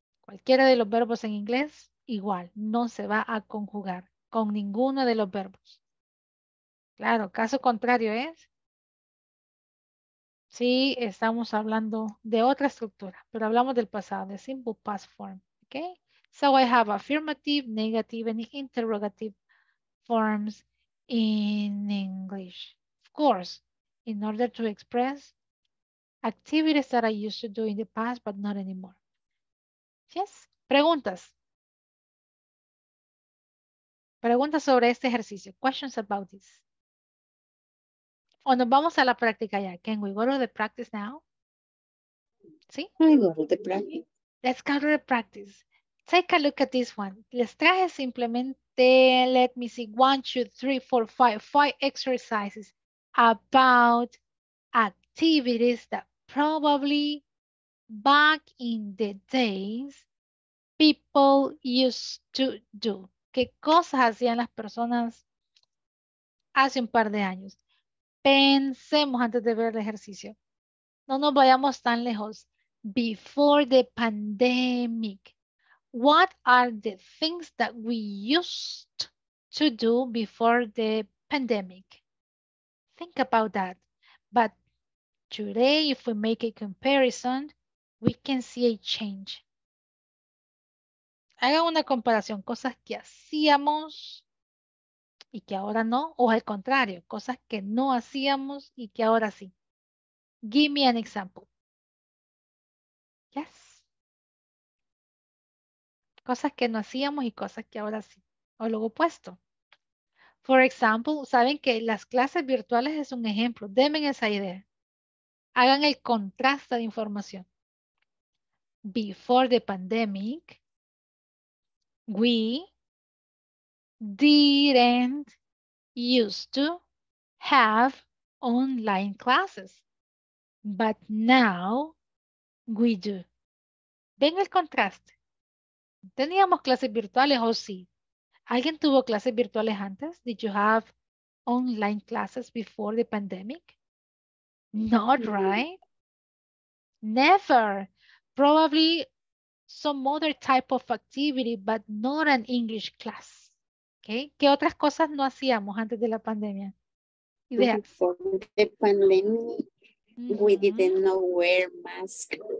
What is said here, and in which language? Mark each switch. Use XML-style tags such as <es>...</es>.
<es>Cualquiera de los verbos en inglés, igual, no se va a conjugar con ninguno de los verbos. Claro, caso contrario es. Sí, estamos hablando de otra estructura, pero hablamos del pasado, de</es> <en>simple past form, okay? So I have affirmative, negative, and interrogative forms in English. Of course, in order to express activities that I used to do in the past, but not anymore.</en> <es>Yes? Preguntas. Preguntas sobre este ejercicio.</es> <en>Questions about this.</en> <es>O nos vamos a la práctica ya.</es> <en>Can we go to the practice now? ¿Sí? We go to the practice. Let's go to the practice. Take a look at this one.</en> <es>Les traje simplemente,</es> <en>let me see, 1, 2, 3, 4, 5 exercises about activities that probably back in the days people used to do.</en> <es>¿Qué cosas hacían las personas hace un par de años? Pensemos antes de ver el ejercicio. No nos vayamos tan lejos.</es> <en>Before the pandemic, what are the things that we used to do before the pandemic? Think about that. But today, if we make a comparison, we can see a change.</en> <es>Haga una comparación. Cosas que hacíamos y que ahora no, o al contrario, cosas que no hacíamos y que ahora sí.</es> <en>Give me an example. Yes.</en> <es>Cosas que no hacíamos y cosas que ahora sí. O lo opuesto.</es> <en>For example,</en> <es>saben que las clases virtuales es un ejemplo. Denme esa idea. Hagan el contraste de información.</es> <en>Before the pandemic, we didn't used to have online classes, but now we do.</en> <es>Ven el contraste. ¿Teníamos clases virtuales o sí? ¿Alguien tuvo clases virtuales antes?</es> <en>Did you have online classes before the pandemic? Not right. Never. Probably some other type of activity, but not an English class. Okay.</en> <es>¿Qué otras cosas no hacíamos antes de la pandemia? Ideas.</es> <en>Before the pandemic, we didn't know wear masks.</en>